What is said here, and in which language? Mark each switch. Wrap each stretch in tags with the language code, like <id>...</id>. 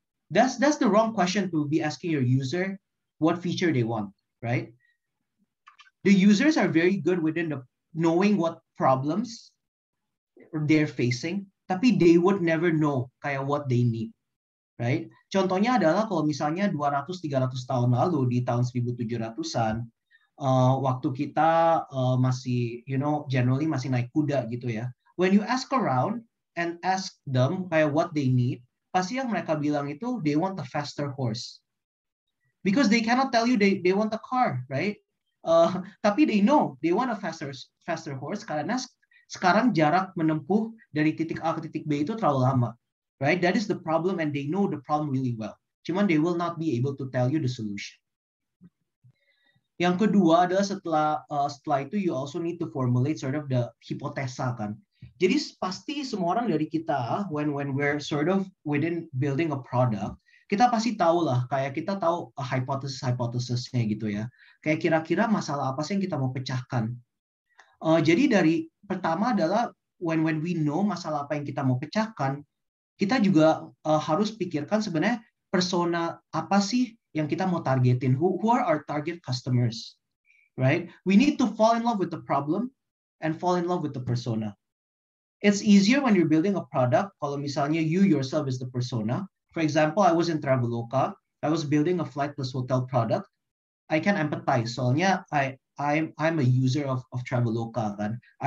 <en>That's the wrong question to be asking your user what feature they want, right? The users are very good within the knowing what problems they're facing, tapi they would never know kayak what they need, right?</en> <id>Contohnya adalah kalau misalnya 200-300 tahun lalu, di tahun 1700-an, waktu kita masih, you know, generally masih naik kuda gitu ya.</id> <en>When you ask around and ask them kayak what they need, pasti yang mereka bilang itu they want a faster horse. Because they cannot tell you they want a car, right? Tapi they know they want a faster horse karena sekarang jarak menempuh dari titik A ke titik B itu terlalu lama, right? That is the problem and they know the problem really well. Cuman they will not be able to tell you the solution. Yang kedua adalah setelah itu you also need to formulate sort of the hipotesa kan.</en> <id>Jadi pasti semua orang dari kita when we're sort of within building a product, kita pasti tahu lah kayak kita tahu hypothesis-hypothesisnya gitu ya. Kayak kira-kira masalah apa sih yang kita mau pecahkan. Jadi dari pertama adalah when we know masalah apa yang kita mau pecahkan, kita juga harus pikirkan sebenarnya persona apa sih yang kita mau targetin, who are our target customers, right?</id> <en>We need to fall in love with the problem and fall in love with the persona. It's easier when you're building a product, kalau misalnya you yourself is the persona. For example, I was in Traveloka, I was building a flight plus hotel product. I can empathize, soalnya I'm a user of Traveloka, kan?</en>